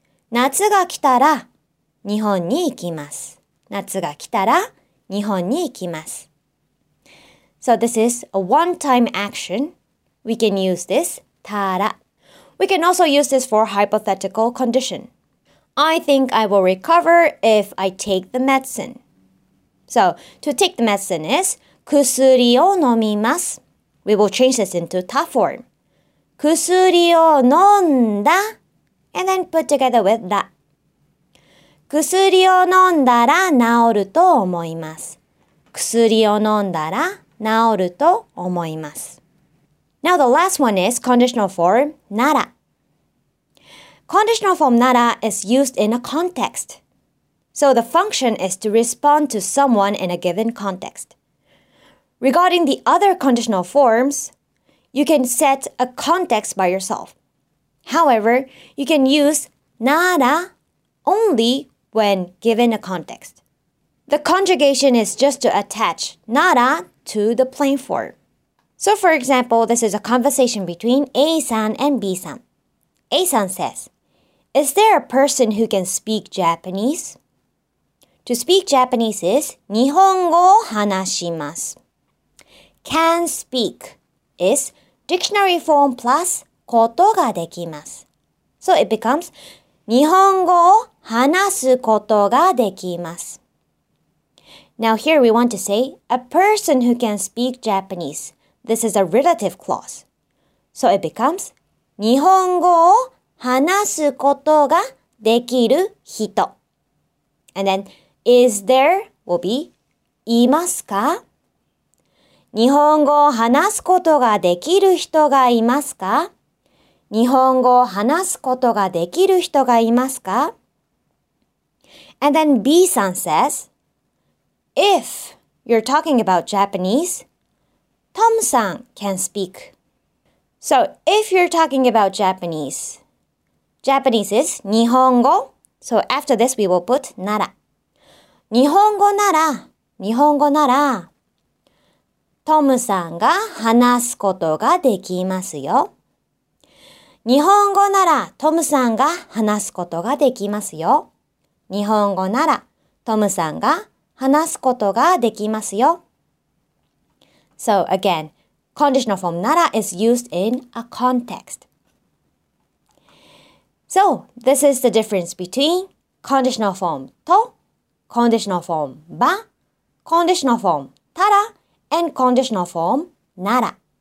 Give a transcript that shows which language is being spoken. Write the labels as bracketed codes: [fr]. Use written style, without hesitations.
[ja] 夏が来たら、日本に行きます。夏が来たら、日本に行きます。 [en] So this is a one-time action. We can use this たら。 We can also use this for hypothetical condition. I think I will recover if I take the medicine. So, to take the medicine is [ja] 薬を飲みます。 [en] We will change this into た form. [ja] 薬を飲んだ。 [en] And then put together with だ。 [ja] 薬を飲んだら治ると思います。薬を飲んだら治ると思います。 [en] Now the last one is conditional form なら。 Conditional form nara is used in a context. So the function is to respond to someone in a given context. Regarding the other conditional forms, you can set a context by yourself. However, you can use nara only when given a context. The conjugation is just to attach nara to the plain form. So for example, this is a conversation between A-san and B-san. A-san says,Is there a person who can speak Japanese? To speak Japanese is [ja] 日本語を話します。 [en] Can speak is dictionary form plus [ja] ことができます。 [en] So it becomes [ja] 日本語を話すことができます。 [en] Now here we want to say a person who can speak Japanese. This is a relative clause. So it becomes [ja] 日本語を話すことができる人。 [en] And then, is there will be, [ja] いますか? 日本語を話すことができる人がいますか? 日本語を話すことができる人がいますか? [en] And then B さん says, If you're talking about Japanese, Tom さん can speak. So, if you're talking about Japanese,Japanese is [ja] 日本語. [en] So after this, we will put なら. [ja] 日本語なら、日本語なら、トムさんが話すことができますよ。日本語なら、トムさんが話すことができますよ。日本語なら、トムさんが話すことができますよ。 [en] So again, conditional form なら is used in a context. So, this is the difference between conditional form と, conditional form ば, conditional form たら, and conditional form なら.